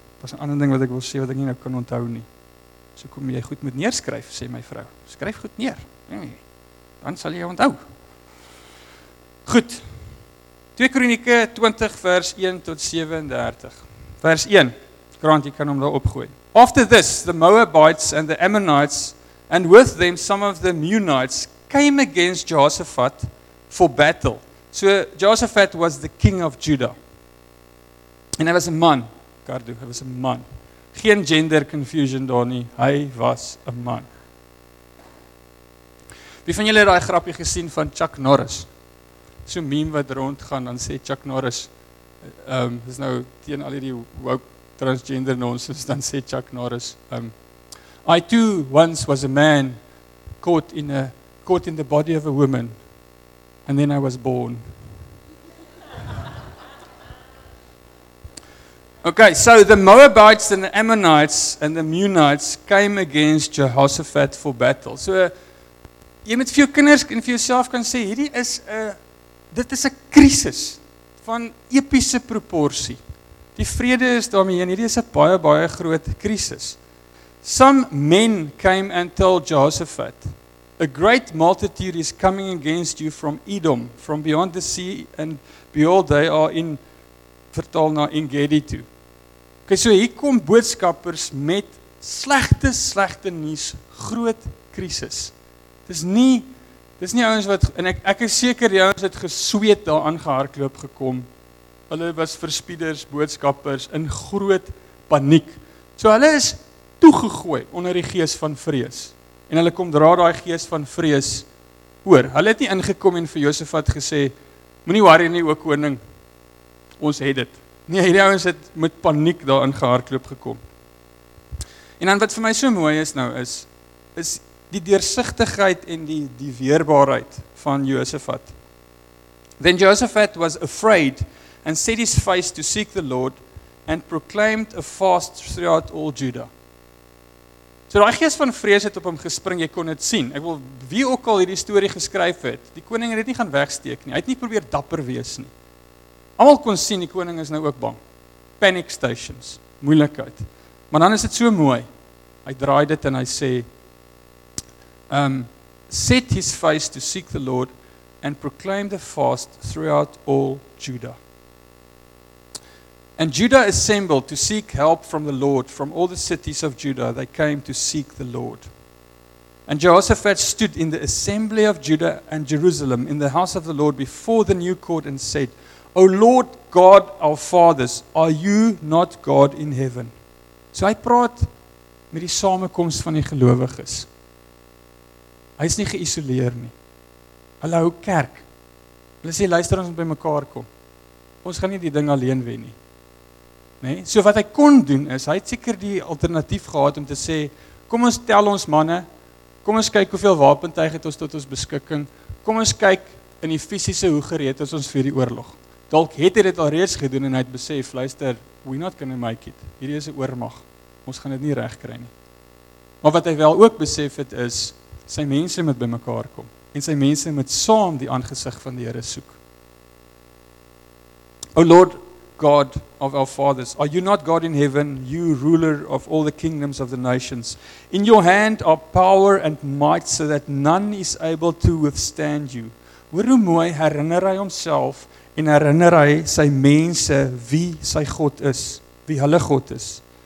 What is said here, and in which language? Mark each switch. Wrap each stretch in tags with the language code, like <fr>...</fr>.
<af>Was 'n ander ding wat ek wil sê wat ek nie nou kan onthou nie. So kom jy goed met neerskryf, sê my vrou. Skryf goed neer. Dan sal jy onthou. Goed. 2 Kronieke 20 vers 1 tot 37. Vers 1. Grant, jy kan hom daar opgooi.</af> <en>After this, the Moabites and the Ammonites and with them some of the Munites came against Josaphat for battle. So Josaphat was the king of Judah. And</en> <af>hy was 'n man. Gardu, hy was 'n man. Geen gender confusion daar nie. Hy was 'n man. Wie van julle het daai grappie gesien van Chuck Norris? So 'n meme wat rondgaan, dan sê Chuck Norris, dis nou teen al die woke transgender nonsense, dan sê Chuck Norris,</af> <en>I too once was a man caught in the body of a woman, and then I was born. Okay, so the Moabites and the Ammonites and the Munites came against Jehoshaphat for battle.</en> <af>So, jy moet vir jou kinders en vir jouself kan sê, dit is 'n krisis van epiese proporsie. Die vrede is daarmee heen, hierdie is 'n baie, baie groot krisis.</af> <en>Some men came and told Jehoshaphat, a great multitude is coming against you from Edom, from beyond the sea, and behold, they are in,</en> <af>vertaal na Engedi toe. Okay, so hier kom boodskappers met slegte nuus, groot krisis. Dis nie ouens wat, en ek is seker die ouens het gesweet daar aangehardloop gekom. Hulle was verspieders, boodskappers in groot paniek. So hulle is toegegooi onder die gees van vrees. En hulle kom dra daai gees van vrees oor. Hulle het nie ingekom en vir Josafat gesê, moenie worry nie, o koning, ons het dit. Nee, hierdie ouens het met paniek daar aangehardloop gekom. En dan wat vir my so mooi is nou is is die deursigtigheid en die die weerbaarheid van Josafat.</af> <en>Then Josaphat was afraid and set his face to seek the Lord and proclaimed a fast throughout all Judah.</en> <af>So daai gees van vrees het op hom gespring, jy kon dit sien. Ek wil wie ook al hierdie storie geskryf het, die koning het dit nie gaan wegsteek nie. Hy het nie probeer dapper wees nie. Almal kon sien die koning is nou ook bang.</af> <en>Panic stations,</en> <af>moeilikheid. Maar dan is dit so mooi. Hy draai dit en hy sê</af> <en>set his face to seek the Lord and proclaim the fast throughout all Judah. And Judah assembled to seek help from the Lord. From all the cities of Judah, they came to seek the Lord. And Jehoshaphat stood in the assembly of Judah and Jerusalem in the house of the Lord before the new court and said, O Lord God, our fathers, are you not God in heaven?</en> <af>So hy praat met die samekoms van die gelowiges. Hy is nie geïsoleer nie. Hulle hou kerk. Hulle sê, luister, ons moet by mekaar kom. Ons gaan nie die ding alleen wen nie. Nee? So wat hy kon doen is, hy het seker die alternatief gehad om te sê, kom ons tel ons manne, kom ons kyk hoeveel wapentuig het ons tot ons beskikking, kom ons kyk in die fisiese hoe gereed is ons vir die oorlog. Dalk het hy dit al reeds gedoen en hy het besef, luister,</af> <en>we're not gonna make it.</en> <af>Hierdie is 'n oormag. Ons gaan dit nie reg kry nie. Maar wat hy wel ook besef het is, sy mense moet by mekaar kom en sy mense moet saam die aangesig van die Here soek.</af> <en>O Lord God of our fathers, are you not God in heaven, you ruler of all the kingdoms of the nations? In your hand are power and might so that none is able to withstand you.</en> <af>Hoor hoe mooi herinner hy homself en herinner hy sy mense wie sy God is, wie hulle God is.</af>